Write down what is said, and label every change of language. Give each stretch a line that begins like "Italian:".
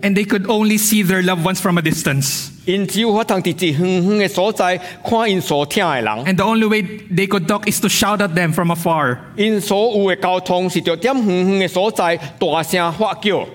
English: And they could only see their loved ones from a distance.
Min Nan Chinese: 因只有法通伫一远远的所在看因所听的人。
English: And the only way they could talk is to shout at them from afar.
Min Nan Chinese: 因所有的交通是着踮远远的所在大声喊叫。